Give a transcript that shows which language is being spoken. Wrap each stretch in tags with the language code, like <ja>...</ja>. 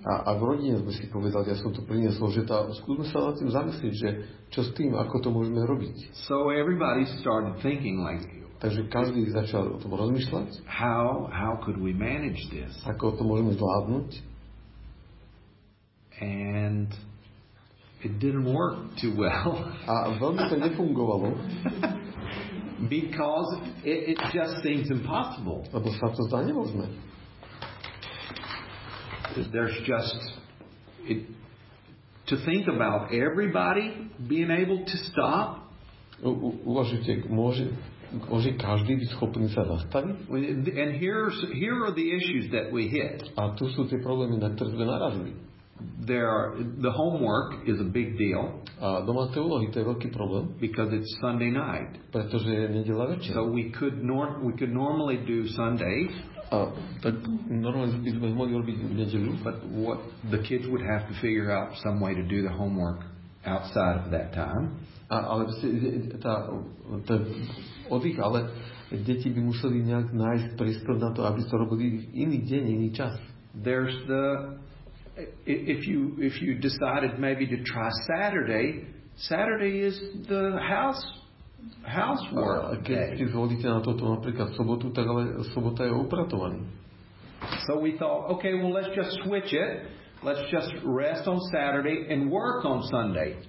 <sk>A v rodine sme si povedali, ja som to priniesol, že skúsme sa nad tým zamyslieť, že čo s tým, ako to môžeme robiť.</sk> <en>So everybody started thinking like you.</en> <sk>Takže každý začal o tom rozmýšľať.</sk> <en>How could we manage this?</en> <sk>Ako to môžeme zvládnuť?</sk> <en>And it didn't work too well.</en> <sk>A veľmi to nefungovalo.</sk> <en>Because it just seems impossible.</en> <sk>Lebo sa to zdá nemožné.</sk> <en>There's just it to think about everybody being able to stop.</en> <sk>Uvažujte, môže každý byť schopný sa zastaviť?</sk> <en>And here are the issues that we hit.</en> <sk>A tu sú tie problémy, na ktoré sme narazili.</sk> <en>The homework is a big deal.</en> <sk>A domáce úlohy, to je veľký problém.</sk> <en>Because it's Sunday night.</en> <sk>Pretože je nedeľa večer.</sk> <en>So we could normally do Sunday.</en> <sk>A tak normálne by sme mohli robiť v nedeľu.</sk> <en>But what the kids would have to figure out some way to do the homework outside of that time.</en> <sk>Ale deti by museli nejak nájsť priestor na to, aby to robili v iný deň, iný čas.</sk> <en>There's the if you decided maybe to try Saturday is the housework.</en> <sk>Keď si zvolíte na toto napríklad sobotu, tak ale sobota je upratovaný.</sk> <en>So we thought, okay, well let's just switch it. Let's just rest on Saturday and work on Sunday.</en>